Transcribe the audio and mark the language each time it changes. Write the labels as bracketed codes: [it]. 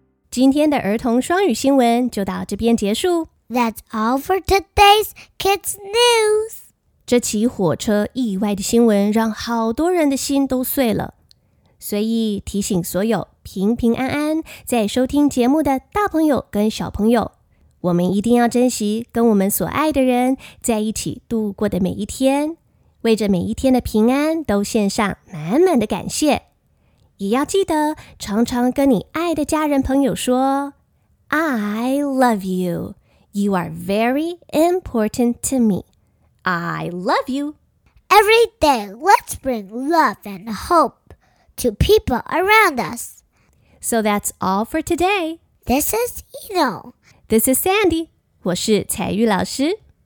[zh] 今天的儿童双语新闻就到这边结束。 [en] That's all for today's kids news. [zh] 这起火车意外的新闻让好多人的心都碎了。所以提醒所有平平安安在收听节目的大朋友跟小朋友，我们一定要珍惜跟我们所爱的人在一起度过的每一天，为着每一天的平安都献上满满的感谢。也要记得常常跟你爱的家人朋友说 [en] I love you. You are very important to me. I love you. Every day, let's bring love and hope to people around us. So that's all for today. This is Eno. This is Sandy. [zh] 我是彩玉老师。